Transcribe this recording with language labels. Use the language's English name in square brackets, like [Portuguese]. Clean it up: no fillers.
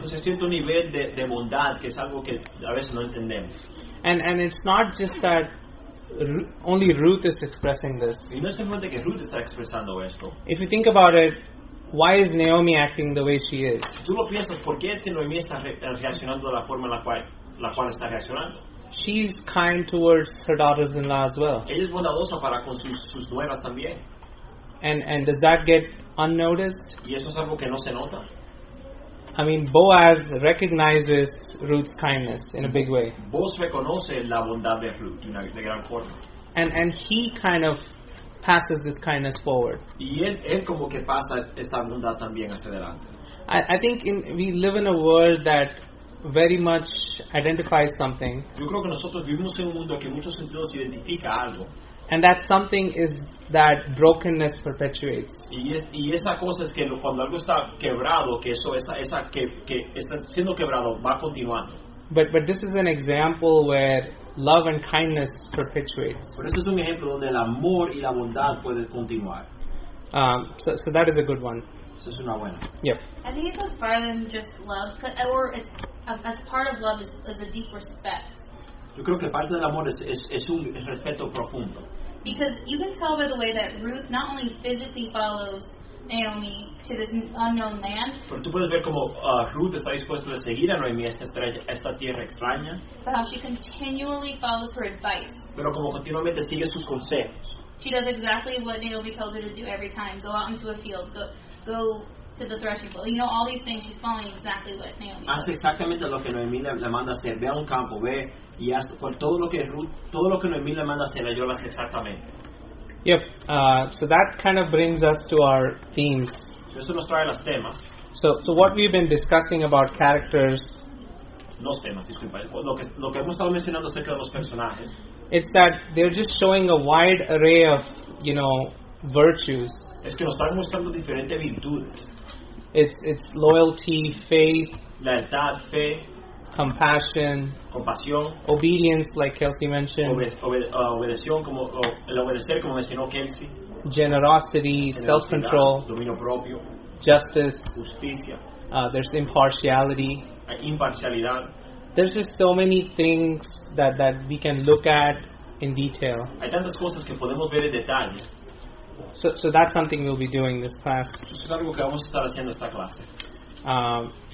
[Spanish] Entonces siento un nivel de bondad que es algo que a veces no entendemos. [English] And it's not just that only Ruth is expressing this. [Spanish] Y no es simplemente que Ruth está expresando esto. [English] If you think about it, why is Naomi acting the way she is? [Spanish] ¿Tú lo piensas, por qué es que Noemí está reaccionando de la forma en la cual está reaccionando? [English] She's kind towards her daughters-in-law as well. [Spanish] Ella es bondadosa para con sus nueras también. [English] And does that get unnoticed? [Spanish] ¿Y eso es algo que no se nota? [English] I mean, Boaz recognizes Ruth's kindness in a big way. [Spanish] Boaz reconoce la bondad de Ruth de gran forma. [English] And he kind of passes this kindness forward. [Spanish] Y él como que pasa esta bondad también hacia adelante. [English] I think we live in a world that very much identifies something. [Spanish] Yo creo que nosotros vivimos en un mundo que en muchos sentidos identifica algo. [English] And that something is that brokenness perpetuates. [Spanish] Y esa cosa es que cuando algo está quebrado, que eso esa que está siendo quebrado va continuando. [English] But this is an example where love and kindness perpetuates. [Spanish] Pero eso es un ejemplo donde el amor y la bondad puede continuar. [English] So that is a good one. [Spanish] Eso es una buena. [English] Yep. I think it goes farther than just love, or as part of love is a deep respect. [Spanish] Yo creo que parte del amor es un respeto profundo. [English] Because you can tell by the way that Ruth not only physically follows Naomi to this unknown land. [Spanish] Pero tú puedes ver cómo Ruth está dispuesta a seguir a Noemi a esta tierra extraña. [English] But how she continually follows her advice. [Spanish] Pero como continuamente sigue sus consejos. [English] She does exactly what Naomi tells her to do every time. Go out into a field. Go to the threshing floor. You know, all these things, she's following exactly what Naomi [Spanish] hace exactamente lo que Noemi le manda a hacer. Ve a un campo, ve... Y hasta por todo lo que Noemí le manda hacer, yo lo hace exactamente. [English] Yep. So that kind of brings us to our themes. [Spanish] Eso nos trae los temas. [English] So what we've been discussing about characters. [Spanish] Los temas, disculpa. Lo que hemos estado mencionando acerca de los personajes. [English] It's that they're just showing a wide array of, you know, virtues. [Spanish] Es que nos están mostrando diferentes virtudes. [English] It's loyalty, faith. [Spanish] Lealtad, fe. [English] Compassion, obedience, like Kelsey mentioned. [Spanish] Obedecer, como mencionó Kelsey. [English] Generosity, self-control. [Spanish] Dominio propio. [English] Justice. [Spanish] Justicia. [English] There's impartiality. [Spanish] Imparcialidad. [English] There's just so many things that we can look at in detail. [Spanish] Hay tantas cosas que podemos ver en detalle. [English] So that's something we'll be doing this class. [Spanish] Es algo que vamos a estar haciendo esta clase.